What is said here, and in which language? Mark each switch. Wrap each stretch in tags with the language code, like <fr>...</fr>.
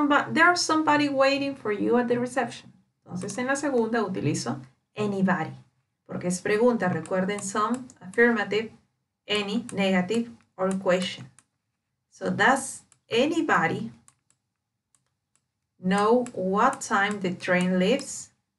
<en>There's somebody waiting for you at the reception.</en> <es>Entonces, en la segunda utilizo anybody, porque es pregunta.</es> <en>Recuerden, some, affirmative, any, negative, or question. So, does anybody know what time the train leaves?</en>